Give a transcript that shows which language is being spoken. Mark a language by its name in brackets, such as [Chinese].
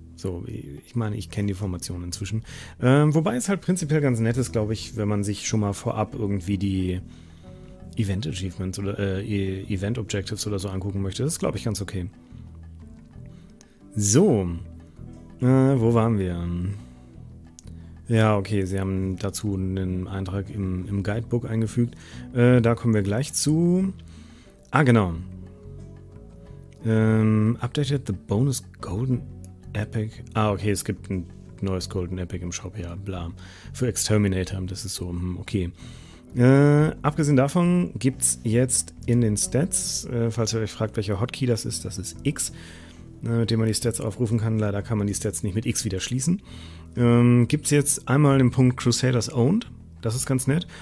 [German] So, ich meine, ich kenne die Formation inzwischen. Wobei es halt prinzipiell ganz nett ist, glaube ich, wenn man sich schon mal vorab irgendwie die Event-Achievements oder Event-Objectives oder so angucken möchte. Das ist, glaube ich, ganz okay. So, wo waren wir? Ja, okay, sie haben dazu einen Eintrag im Guidebook eingefügt. Da kommen wir gleich zu. Ah, genau. [English] Updated the bonus Golden Epic. [German] Ah, okay, es gibt ein neues Golden Epic im Shop, ja, bla. Für Exterminator, das ist so, okay. Abgesehen davon gibt's jetzt in den Stats, falls ihr euch fragt, welcher Hotkey das ist X, mit dem man die Stats aufrufen kann. Leider kann man die Stats nicht mit X wieder schließen. Gibt's jetzt einmal den Punkt Crusaders Owned, das ist ganz nett.